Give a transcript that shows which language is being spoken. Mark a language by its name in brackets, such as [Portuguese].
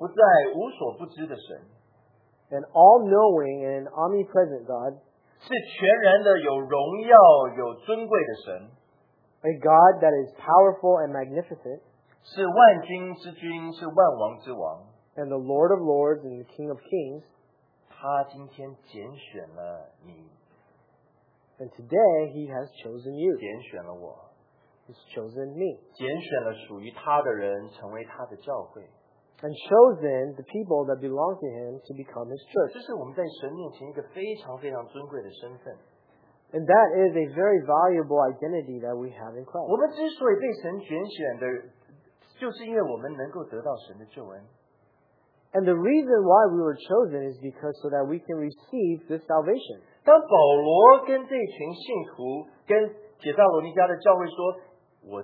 [Chinese] 是无所不在无所不知的神。 [English] An all-knowing and omnipresent God [Chinese] 是全然的有荣耀有尊贵的神。 [English] A God that is powerful and magnificent [Chinese] 是万君之君是万王之王。 [English] And the Lord of Lords and the King of Kings [Chinese] 他今天拣选了你。 [English] And today He has chosen you [Chinese] 拣选了我。 [English] He's chosen me. [Chinese] 拣选了属于他的人成为他的教会。 [English] And chosen the people that belong to Him to become His church. [Chinese] 这是我们在神面前一个非常非常尊贵的身份。 [English] And that is a very valuable identity that we have in Christ. [Chinese] 我们之所以被神拣选的，就是因为我们能够得到神的救恩。 [English] And the reason why we were chosen is because so that we can receive this salvation. [Chinese] 当保罗跟这群信徒跟帖撒罗尼迦的教会说，